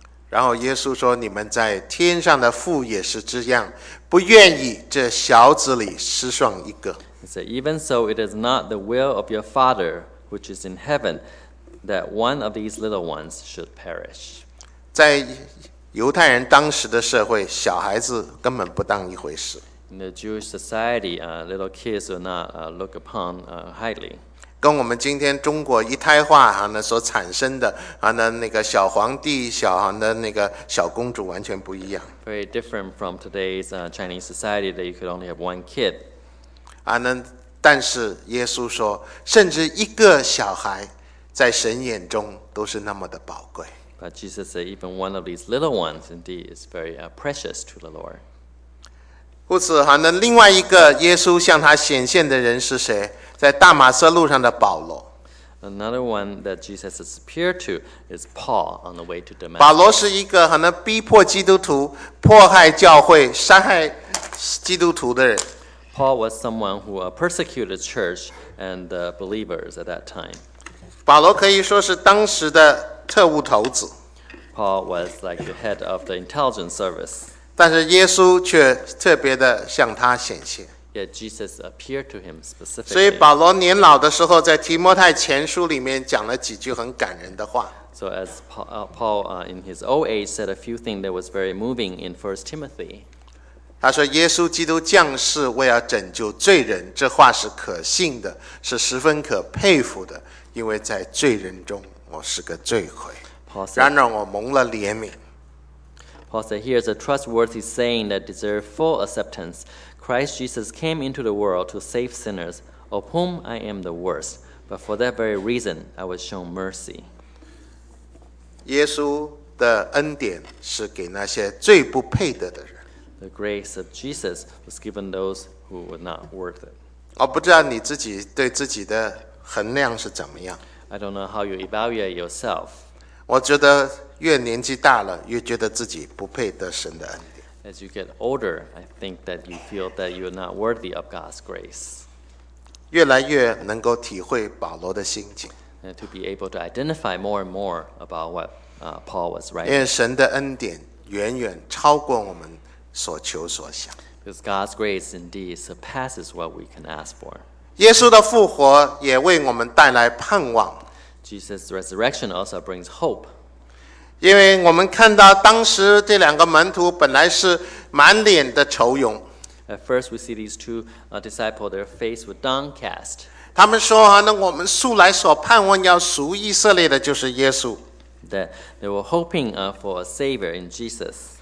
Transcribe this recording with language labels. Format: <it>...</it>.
<zh>然后耶稣说，你们在天上的父也是这样。不愿意这小子里失丧一个。</zh> <en>He said, "Even so, it is not the will of your Father, which is in heaven, that one of these little ones should perish."</en> <zh>在犹太人当时的社会，小孩子根本不当一回事。</zh> <en>In the Jewish society, little kids are not looked upon highly.</en> <zh>跟我们今天中国一胎化所产生的那个小皇帝、小公主完全不一样。</zh> <en>Very different from today's Chinese society that you could only have one kid.</en> <zh>但是耶稣说，甚至一个小孩在神眼中都是那么的宝贵。</zh> <en>But Jesus said, even one of these little ones indeed is very precious to the Lord.</en> <zh>故此另外一个耶稣向他显现的人是谁？在大马色路上的保罗。</zh> <en>Another one that Jesus appeared to is Paul on the way to Damascus.</en> <zh>保罗是一个逼迫基督徒、迫害教会、杀害基督徒的人。</zh> <en>Paul was someone who persecuted church and believers at that time.</en> <zh>保罗可以说是当时的特务头子。</zh> <en>Paul was like the head of the intelligence service.</en> <zh>但是耶稣却特别的向他显现。</zh> <en>Yet Jesus appeared to him specifically.</en> <zh>所以保罗年老的时候，在提摩太前书里面讲了几句很感人的话。</zh> <en>So as Paul in his old age said a few things that was very moving in 1 Timothy.</en> <zh>他说：“耶稣基督降世为要拯救罪人，这话是可信的，是十分可佩服的，因为在罪人中我是个罪魁。然而我蒙了怜悯。”</zh> <en>Paul said, "Here's a trustworthy saying that deserves full acceptance." Christ Jesus came into the world to save sinners, of whom I am the worst. But for that very reason, I was shown mercy.</en> <zh>耶稣的恩典是给那些最不配得的人。</zh> <en>The grace of Jesus was given those who were not worth it.</en> <zh>我不知道你自己对自己的衡量是怎么样。</zh> <en>I don't know how you evaluate yourself.</en> <zh>我觉得越年纪大了，越觉得自己不配得神的恩典。</zh> <en>As you get older, I think that you feel that you are not worthy of God's grace.</en> <zh>越来越能够体会保罗的心情。</zh> <en>And to be able to identify more and more about what Paul was writing.</en> <zh>因为神的恩典远远超过我们所求所想。</zh> <en>Because God's grace indeed surpasses what we can ask for.</en> <zh>耶稣的复活也为我们带来盼望。</zh> <en>Jesus' resurrection also brings hope.</en> <zh>因为我们看到当时这两个门徒本来是满脸的愁容。</zh> <en>At first we see these two disciples, their face were downcast.</en> <zh>他们说、啊、那我们素来所盼望要赎以色列的就是耶稣。</zh> <en>That they were hoping for a savior in Jesus.</en>